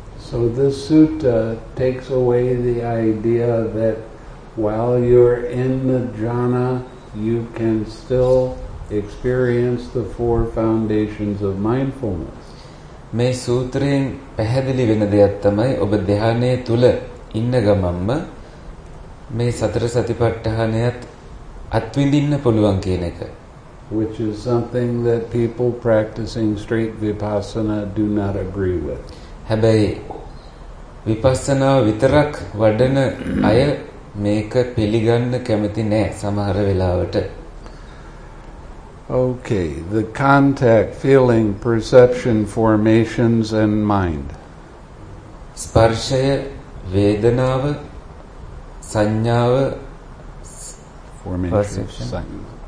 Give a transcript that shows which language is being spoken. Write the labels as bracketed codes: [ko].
[en] So this sutta takes away the idea that while you're in the jhana you can still experience the four foundations of mindfulness. [si] මේ සූත්‍රයෙන් පැහැදිලි වෙන දෙයක් තමයි ඔබ ධ්‍යානයේ තුල ඉන්න ගමන්ම මේ සතර සතිපට්ඨානයත් අත්විඳින්න පුළුවන් කියන එක. [en] Which is something that people practicing straight vipassana do not agree with. [si] හැබැයි විපස්සනා විතරක් වඩන අය මේක පිළිගන්න කැමති නෑ සමහර වෙලාවට. [en] Okay, the contact, feeling, perception, formations and mind. [si] ස්පර්ශය, වේදනාව, සංඥාව, [en] formations, perception.